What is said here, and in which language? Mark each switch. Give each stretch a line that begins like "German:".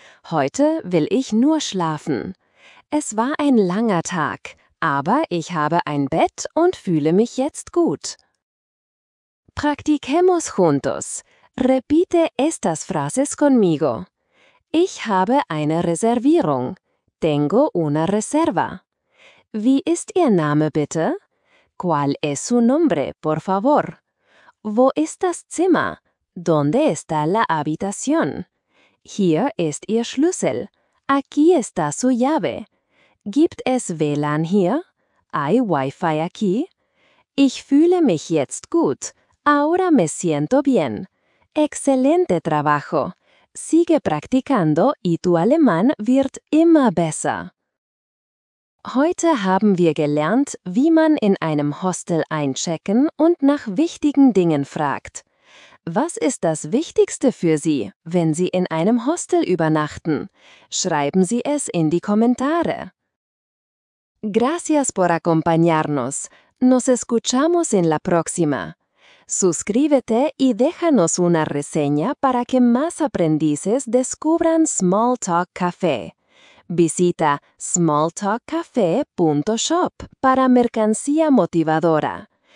German: Heute will ich nur schlafen. Es war ein langer Tag, aber ich habe ein Bett und fühle mich jetzt gut.
Spanish: Practiquemos juntos. Repite estas frases conmigo.
German: Ich habe eine Reservierung.
Spanish: Tengo una reserva.
German: Wie ist Ihr Name bitte?
Spanish: ¿Cuál es su nombre, por favor?
German: Wo estas Zimmer?
Spanish: ¿Dónde está la habitación?
German: Hier ist Ihr Schlüssel.
Spanish: Aquí está su llave.
German: ¿Gibt es WLAN hier?
Spanish: ¿Hay Wi-Fi aquí?
German: Ich fühle mich jetzt gut.
Spanish: Ahora me siento bien. ¡Excelente trabajo! Sigue practicando y tu alemán
German: wird immer besser. Heute haben wir gelernt, wie man in einem Hostel einchecken und nach wichtigen Dingen fragt. Was ist das Wichtigste für Sie, wenn Sie in einem Hostel übernachten? Schreiben Sie es in die Kommentare.
Spanish: Gracias por acompañarnos. Nos escuchamos en la próxima. Suscríbete y déjanos una reseña para que más aprendices descubran Small Talk Café. Visita smalltalkcafe.shop para mercancía motivadora.